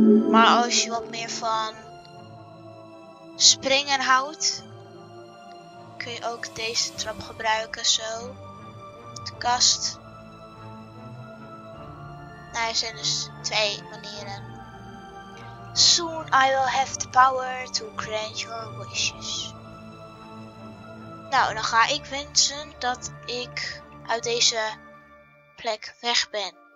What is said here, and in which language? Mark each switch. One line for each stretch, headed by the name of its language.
Dutch: Maar als je wat meer van springen houdt, kun je ook deze trap gebruiken zo. De kast. Nou, er zijn dus 2 manieren.
English: Soon I will have the power to grant your wishes.
Dutch: Nou, dan ga ik wensen dat ik uit deze plek weg ben.